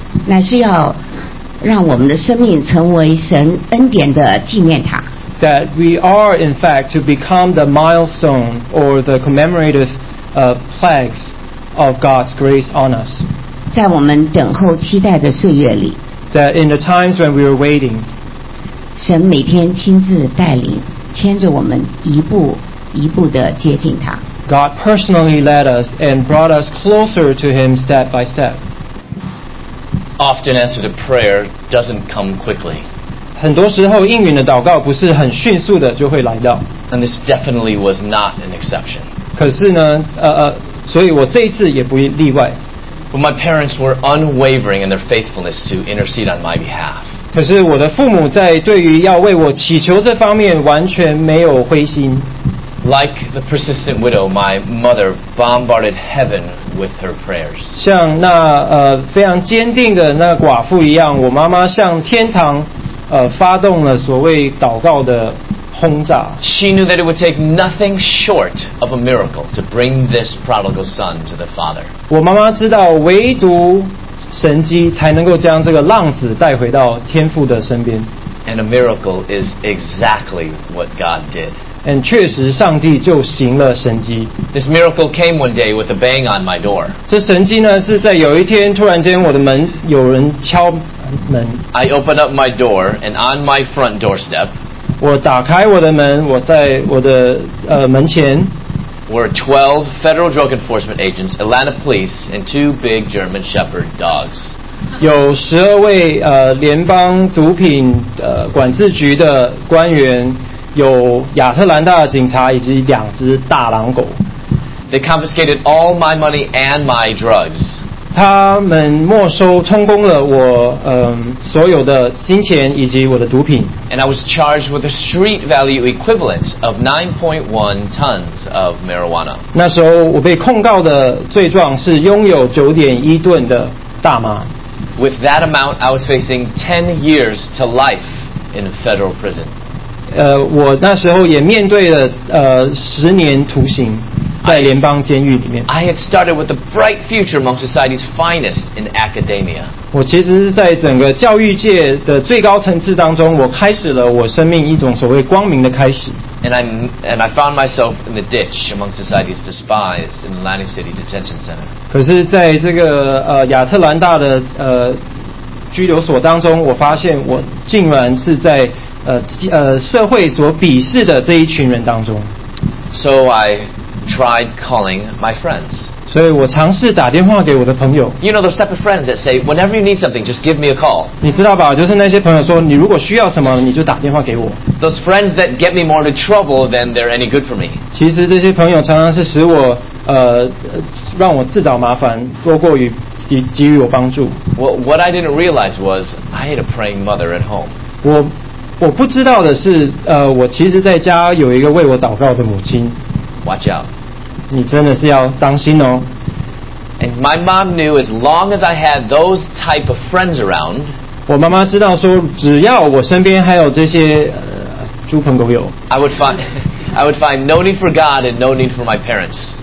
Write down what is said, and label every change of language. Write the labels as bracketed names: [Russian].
[Chinese] 乃是要让我们的生命成为神恩典的纪念塔。 [English] That we are in fact to become the milestone or the commemorative plagues of God's grace on us. [Chinese] 在我们等候期待的岁月里。 [English] That in the times when we are waiting, [Chinese] 神每天亲自带领，牵着我们一步一步的接近他。 [English] God personally led us and brought us closer to Him step by step. Often answer to prayer doesn't come quickly. [Chinese] 很多时候应允的祷告不是很迅速的就会来到。 [English] And this definitely was not an exception. [Chinese] 可是呢，所以我这一次也不例外。 [English] But my parents were unwavering in their faithfulness to intercede on my behalf. [Chinese] 可是我的父母在对于要为我祈求这方面完全没有灰心。 [English] Like the persistent widow, my mother bombarded heaven with her prayers. [Chinese] 像那非常坚定的那寡妇一样，我妈妈向天堂发动了所谓祷告的轰炸。 [English] She knew that it would take nothing short of a miracle to bring this prodigal son to the father. [Chinese] 我妈妈知道，唯独神迹才能够将这个浪子带回到天父的身边。 [English] And a miracle is exactly what God did. [Chinese] And 确实，上帝就行了神迹。 [English] This miracle came one day with a bang on my door. [Chinese] 这神迹呢，是在有一天突然间我的门有人敲门。 [English] I opened up my door, and on my front doorstep. [Chinese] 我打开我的门，我在我的门前。 [English] Were 12 federal drug enforcement agents, Atlanta police, and 2 big German shepherd dogs. [Chinese] 有十二位联邦毒品管制局的官员，有亚特兰大的警察以及两只大狼狗。 [English] They confiscated all my money and my drugs. [Chinese] 他们没收充公了我所有的金钱以及我的毒品。 [English] And I was charged with a street value equivalent of 9.1 tons of marijuana. [Chinese] 那时候我被控告的罪状是拥有 9.1 吨的大麻。 [English] With that amount, I was facing 10 years to life in a federal prison. [Chinese] 我那时候也面对了十年徒刑在联邦监狱里面。 [English] I had started with a bright future among society's finest in academia. [Chinese] 我其实是在整个教育界的最高层次当中，我开始了我生命一种所谓光明的开始。 [English] And I found myself in the ditch among society's despised in Atlantic City Detention Center. [Chinese] 可是在这个亚特兰大的拘留所当中，我发现我竟然是在社会所鄙视的这一群人当中。 [English] So I tried calling my friends. [Chinese] 所以我尝试打电话给我的朋友。 [English] You know those type of friends that say, whenever you need something, just give me a call. [Chinese] 你知道吧？就是那些朋友说，你如果需要什么，你就打电话给我。 [English] Those friends that get me more into trouble than they're any good for me. [Chinese] 其实这些朋友常常是使我让我自找麻烦，多过于给予我帮助。 [English] Well, what I didn't realize was I had a praying mother at home. [Chinese] 我不知道的是，我其实在家有一个为我祷告的母亲。 [English] Watch out. [Chinese] 你真的是要当心哦。 [English] And my mom knew as long as I had those type of friends around, [Chinese] 我妈妈知道说只要我身边还有这些猪朋狗友， [English] I would find no need for God and no need for my parents.